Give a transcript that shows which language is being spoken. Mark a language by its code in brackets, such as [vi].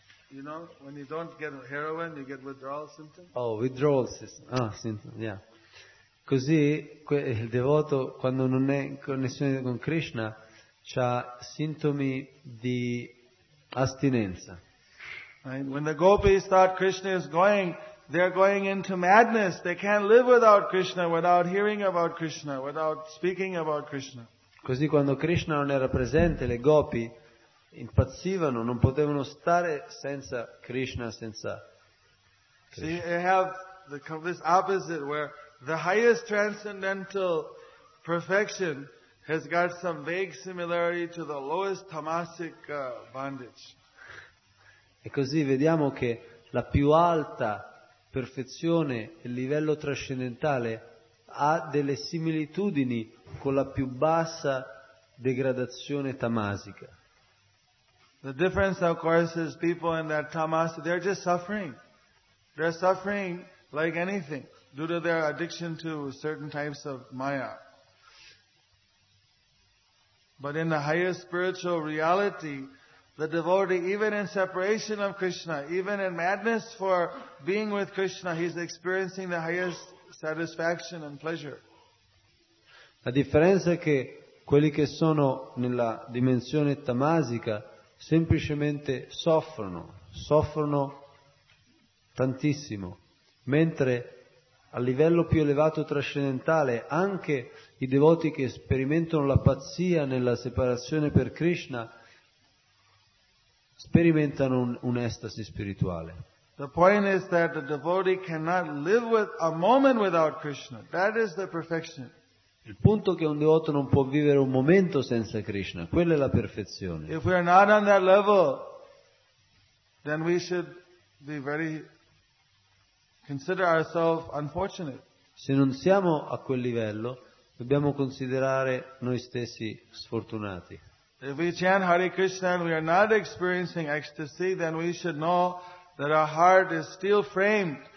[en] You know, when you don't get heroin, you get withdrawal symptoms. Oh, withdrawal symptoms. Ah, symptoms. Yeah. [it] Così il devoto quando non è in connessione con Krishna c'ha sintomi di astinenza. [en] Right? When the gopis thought Krishna is going, they're going into madness. They can't live without Krishna, without hearing about Krishna, without speaking about Krishna. [it] Così quando Krishna non era presente, le gopi impazzivano, non potevano stare senza Krishna, senza Krishna. [en] See, they have this opposite where the highest transcendental perfection has got some vague similarity to the lowest tamasic bondage. [it] E così vediamo che la più alta perfezione, il livello trascendentale, ha delle similitudini con la più bassa degradazione tamasica. [en] The difference, of course, is people in that tamas, they're just suffering. They're suffering like anything due to their addiction to certain types of maya. But in the highest spiritual reality, the devotee, even in separation of Krishna, even in madness for being with Krishna, he's experiencing the highest satisfaction and pleasure. [it] La differenza è che quelli che sono nella dimensione tamasica semplicemente soffrono, soffrono tantissimo, mentre a livello più elevato trascendentale anche i devoti che sperimentano la pazzia nella separazione per Krishna sperimentano un'estasi spirituale. [en] The point is that the devotee cannot live with a moment without Krishna. That is the perfection. [it] Il punto è che un devoto non può vivere un momento senza Krishna, quella è la perfezione. [en] If we are not on that level, then we should be very consider ourselves unfortunate. [it] Se non siamo a quel livello, dobbiamo considerare noi stessi sfortunati. [en] If we chant Hare Krishna and we are not experiencing ecstasy, then we should know that our heart is still framed